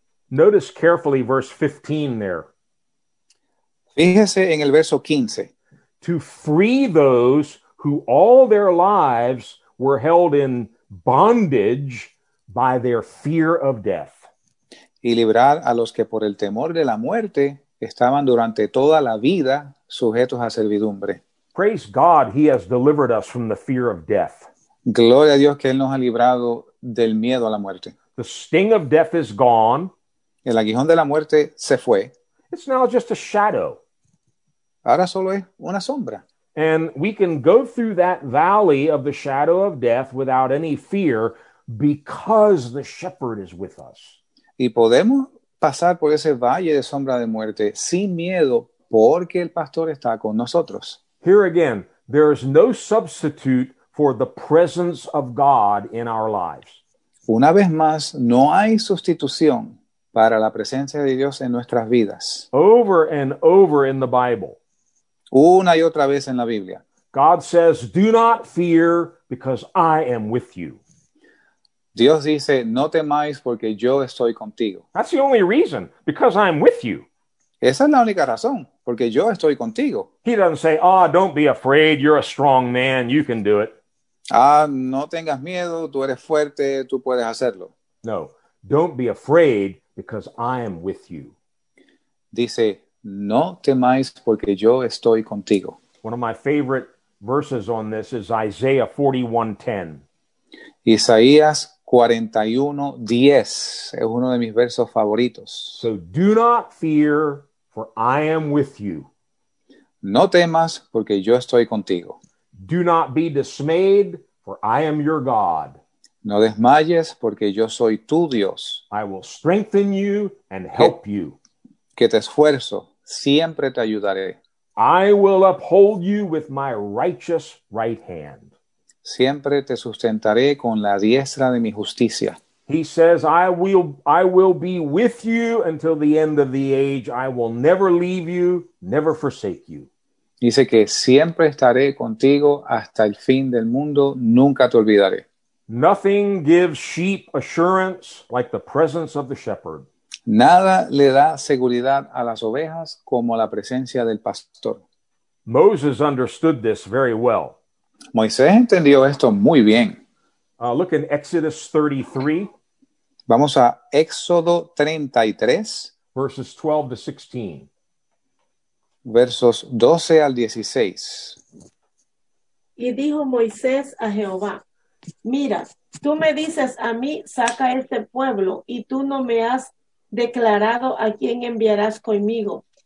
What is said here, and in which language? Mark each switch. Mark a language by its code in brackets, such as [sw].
[en] Notice carefully verse 15 there. [es] Fíjese en el verso 15. [en] To free those who all their lives were held in bondage by their fear of death. [es] Y librar a los que por el temor de la muerte estaban durante toda la vida sujetos a servidumbre. [en] Praise God, he has delivered us from the fear of death. [es] Gloria a Dios que él nos ha librado del miedo a la muerte. [en] The sting of death is gone. [es] El aguijón de la muerte se fue. [en] It's now just a shadow. [es] Ahora solo es una sombra. [en] And we can go through that valley of the shadow of death without any fear because the shepherd is with us. [es] Y podemos pasar por ese valle de sombra de muerte sin miedo porque el pastor está con nosotros. [en] Here again, there is no substitute for the presence of God in our lives. [es] Una vez más, no hay sustitución para la presencia de Dios en nuestras vidas. [en] Over and over in the Bible. [es] Una y otra vez en la Biblia. [en] God says, do not fear because I am with you. [es] Dios dice, no temáis porque yo estoy contigo. [en] That's the only reason, because I'm with you. [es] Esa es la única razón, porque yo estoy contigo. [en] He doesn't say, ah, oh, don't be afraid, you're a strong man, you can do it. [es] Ah, no tengas miedo, tú eres fuerte, tú puedes hacerlo. [en] No, Don't be afraid, because I am with you. [es] Dice, no temáis porque yo estoy contigo. [en] One of my favorite verses on this is Isaiah 41:10. [es] Isaías 41:10 es uno de mis versos favoritos. [en] So do not fear, for I am with you. [es] No temas porque yo estoy contigo. [en] Do not be dismayed, for I am your God. [es] No desmayes porque yo soy tu Dios. [en] I will strengthen you and help you. [es] Que te esfuerzo, siempre te ayudaré. [en] I will uphold you with my righteous right hand. [es] Siempre te sustentaré con la diestra de mi justicia. [en] He says, I will be with you until the end of the age. I will never leave you, never forsake you. [es] Dice que siempre estaré contigo hasta el fin del mundo, nunca te olvidaré. [en] Nothing gives sheep assurance like the presence of the shepherd. [es] Nada le da seguridad a las ovejas como la presencia del pastor. [en] Moses understood this very well. [es] Moisés entendió esto muy bien. [en] Look in Exodus 33. [es] Vamos a Éxodo 33. [en] Verses 12 to 16. [es] Versos 12 al 16. Y dijo Moisés a Jehová, mira, tú me dices a mí, saca este pueblo, y tú no me has declarado a quién enviarás conmigo.